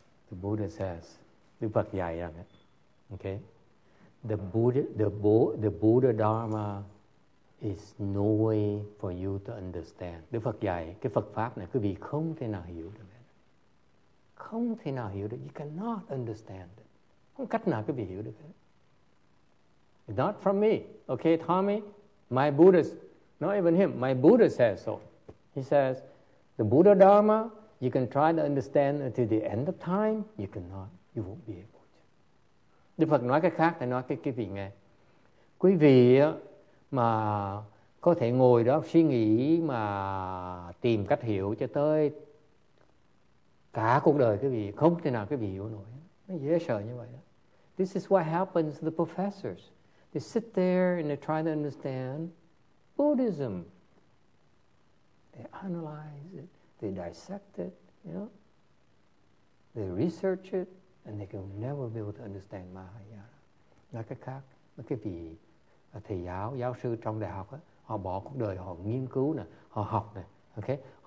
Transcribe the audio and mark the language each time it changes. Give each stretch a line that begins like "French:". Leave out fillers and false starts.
English: Buddha says,
Vietnamese: Đức Phật dạy rằng,
English: okay, the Buddha, the Buddha Dharma is no way for you to understand.
Vietnamese: Đức Phật dạy cái Phật pháp này quý vị không thể nào hiểu được. Không thể nào hiểu được.
English: You cannot understand it.
Vietnamese: Không cách nào quý vị hiểu được.
English: Not from me. Okay, Tommy? My Buddha, not even him, my Buddha says so. He says, the Buddha Dharma, you can try to understand until the end of time. You cannot. You won't be able to.
Vietnamese: Đức Phật nói cái khác, thì nói cái quý vị nghe. Quý vị mà có thể ngồi đó suy nghĩ mà tìm cách hiểu cho tới cả cuộc đời quý vị không thể nào quý vị hiểu nổi. Nó dễ sợ như vậy đó.
English: This is what happens to the professors. They sit there and they try to understand Buddhism. They analyze it. They dissect it. You know? They research it. And they can never be able to understand Mahayana.
Vietnamese: Nói cách khác, mấy cái vị thầy giáo, giáo sư trong đại học, họ bỏ cuộc đời, họ nghiên cứu, này, họ học, này, okay?